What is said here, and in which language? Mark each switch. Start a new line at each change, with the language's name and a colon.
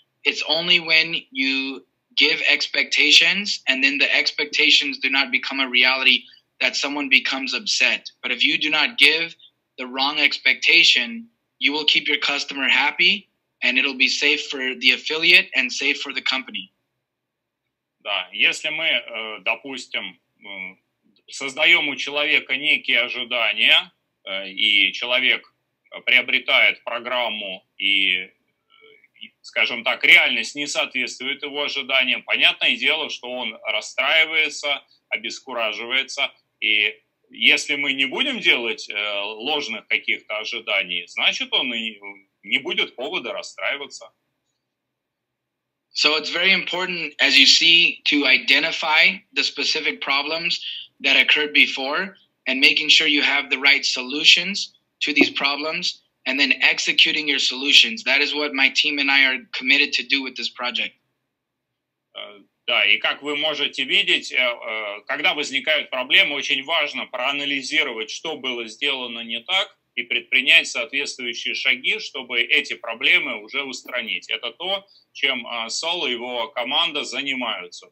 English: It's only when you give expectations and then the expectations do not become a reality that someone becomes upset. But if you do not give the wrong expectation, you will keep your customer happy and it'll be safe for the affiliate and safe for the company.
Russian: Да, если мы, допустим, создаем у человека некие ожидания, и человек приобретает программу и, скажем так, реальность не соответствует его ожиданиям, понятное дело, что он расстраивается, обескураживается. И если мы не будем делать ложных каких-то ожиданий, значит, он и не будет повода расстраиваться.
English: So it's very important, as you see, to identify the specific problems that occurred before and making sure you have the right solutions to these problems. And then executing your solutions. That is what my team and I are committed to do with this project.
Russian: Да, и как вы можете видеть, когда возникают проблемы, очень важно проанализировать, что было сделано не так, и предпринять соответствующие шаги, чтобы эти проблемы уже устранить. Это то, чем Сол и его команда занимаются.